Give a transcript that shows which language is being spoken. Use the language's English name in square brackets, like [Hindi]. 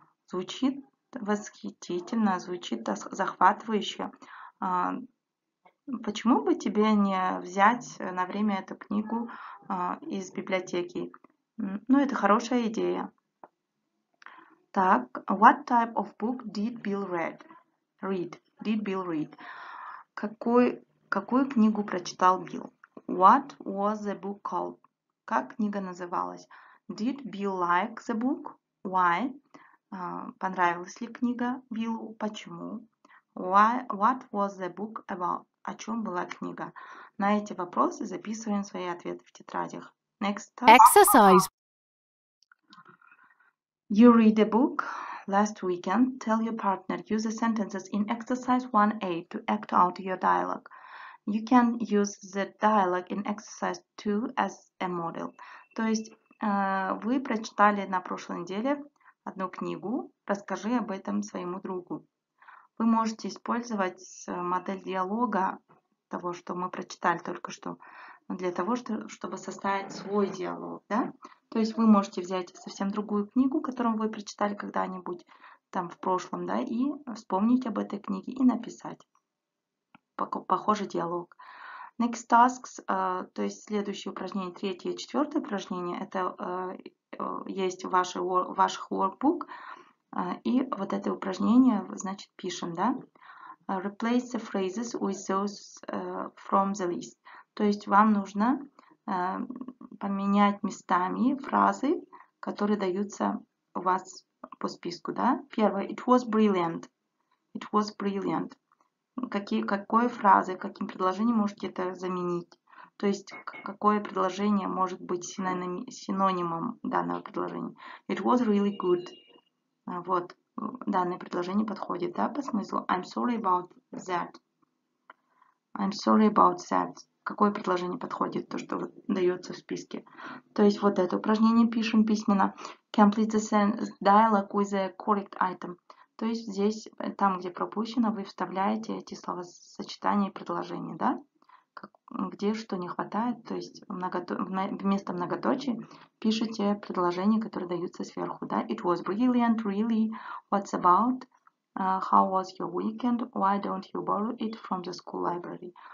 [Russian] Звучит восхитительно, звучит захватывающе. Почему бы тебе не взять на время эту книгу из библиотеки? Ну, это хорошая идея. [English] Так, what type of book did Bill read? [Russian] Какую книгу прочитал Билл? [English] What was the book called? [Russian] Как книга называлась? [English] Did Bill like the book? Why? [Russian] Понравилась ли книга Биллу? Почему? [English] What was the book about? [Russian] О чем была книга? На эти вопросы записываем свои ответы в тетрадях. [English] Next time. Exercise. You read a book last weekend. Tell your partner. Use the sentences in exercise 1A to act out your dialogue. You can use the dialogue in exercise 2 as a model. [Russian] То есть вы прочитали на прошлой неделе одну книгу. Расскажи об этом своему другу. Вы можете использовать модель диалога того, что мы прочитали только что, для того, чтобы составить свой диалог. Да? То есть вы можете взять совсем другую книгу, которую вы прочитали когда-нибудь там в прошлом, да, и вспомнить об этой книге и написать похожий диалог. [English] Next tasks, [Russian] то есть следующее упражнение, третье, четвертое упражнение, это есть ваших workbook, и вот это упражнение, значит, пишем, да? [English] Replace the phrases with those from the list. [Russian] То есть вам нужно поменять местами фразы, которые даются у вас по списку, да? Первое, [English] it was brilliant. It was brilliant. [Russian] Какой фразы, каким предложением можете это заменить? То есть какое предложение может быть синонимом данного предложения? [English] It was really good. [Russian] Вот, данное предложение подходит, да, по смыслу. [English] I'm sorry about that. I'm sorry about that. [Russian] Какое предложение подходит, то, что вот дается в списке. То есть вот это упражнение пишем письменно. [English] Complete the sentence dialogue with the correct item. [Russian] То есть здесь, там, где пропущено, вы вставляете эти словосочетания и предложения, да? Где что не хватает, то есть вместо многоточия пишите предложения, которые даются сверху, да? [English] It was brilliant, really, what's about, how was your weekend, why don't you borrow it from the school library?